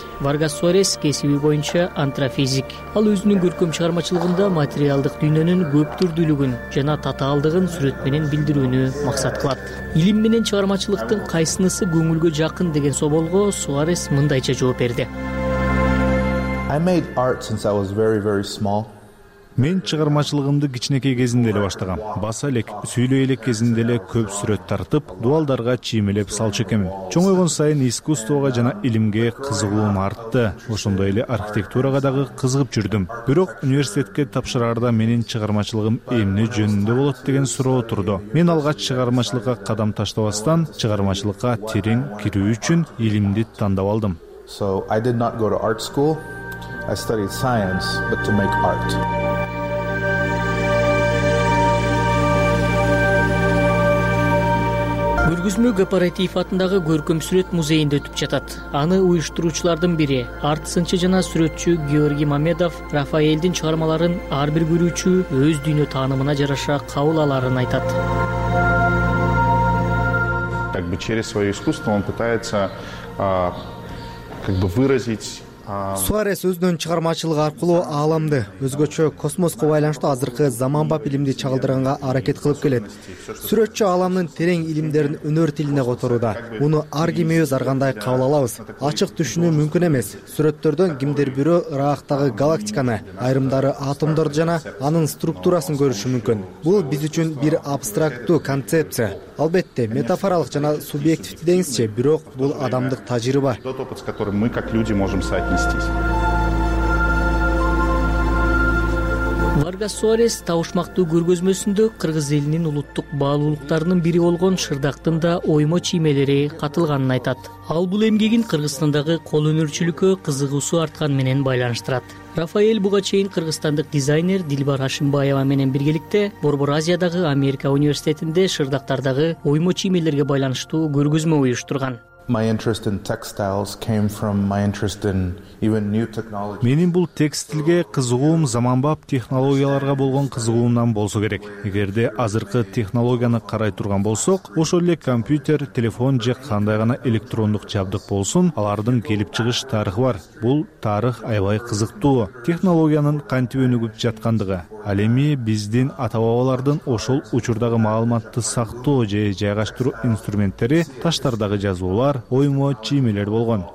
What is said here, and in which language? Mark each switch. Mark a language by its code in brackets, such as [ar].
[ky] Варгас Суарес кесиби боюнча антрофизик. Ал өзүнүн көркөм чыгармачылыгында материалдык дүйнөнүн көп түрдүүлүгүн жана татаалдыгын сүрөт менен билдирүүнү максат кылат. Илим менен чыгармачылыктын кайсынысы көңүлгө жакын деген соболго Суарес мындайча жооп берди. [en] I made art since I was very very small. [ky] Мен чыгармачылыгымды кичинекей кезинде эле баштагам. Баса элек, сүйлөй элек кезинде эле көп сүрөт тартып, дубалдарга чиймелеп салчу экенмин. Чоңойгон сайын искусствого жана илимге кызыгуум артты. Ошондой эле архитектурага дагы кызыгып жүрдүм. Бирок университетке тапшырарда менин чыгармачылыгым эмне жөнүндө болот деген суроо турду. Мен алгач чыгармачылыкка кадам таштабастан, чыгармачылыкка терең кирүү үчүн илимди тандап алдым. [en] So I did not go to art school. I studied science, but to make art. [ky] Көргөзмө Кооператив атындагы көркөм сүрөт музейинде өтүп жатат. Аны уюштуруучулардын бири, арт сынчы жана сүрөтчү Георгий Мамедов Рафаэлдин чыгармаларын ар бир көрүүчү өз дүйнө таанымына жараша кабыл аларын айтат. [ru] Как бы через своё искусство он пытается как бы выразить [ky] Суарес өзүнүн чыгармачылыгы аркылуу ааламды, өзгөчө космоско байланыштуу азыркы заманбап илимди чагылдырганга аракет кылып келет. Сүрөтчү ааламдын терең илимдерин өнөр тилине которууда. Муну ар ким өз ар кандай кабыл алабыз. Ачык түшүнүү мүмкүн эмес. Сүрөттөрдөн кимдир бирөө ыраактагы галактиканы, айрымдары атомдорду жана анын структурасын көрүшү мүмкүн. Бул биз үчүн бир абстрактуу концепция. Албетте, метафоралык жана субъективдүү деңизче, бирок бул адамдык тажрыйба. [ru] Тот опыт, с которым мы как люди можем соотнестись. [ky] Варгас Суарес табышмактуу көргөзмөсүндө кыргыз элинин улуттук баалуулуктарынын бири болгон шырдактын да оймо чиймелери катылганын айтат. Ал бул эмгегин Кыргызстандагы кол өнөрчүлүккө кызыгуусу арткан менен байланыштырат. Рафаэль буга чейин кыргызстандык дизайнер Дилбар Ашымбаева менен биргеликте Борбор Азиядагы Америка университетинде шырдактардагы оймо чиймелерге байланыштуу көргөзмө уюштурган. [en] My interest in textiles came from my interest in even new technologies. [ky] Менин бул текстилге кызыгуум заманбап технологияларга болгон кызыгуумдан болсо керек. Эгерде азыркы технологияны карай турган болсок, ошол эле компьютер, телефон же кандай гана электрондук жабдык болсун, алардын келип чыгыш тарыхы бар. Бул тарых аябай кызыктуу. Технологиянын кантип өнүгүп жаткандыгы, ал эми биздин ата-бабалардын ошол учурдагы маалыматты сактоо же жайгаштыруу инструменттери, таштардагы жазуу оймо чиймелер болгон.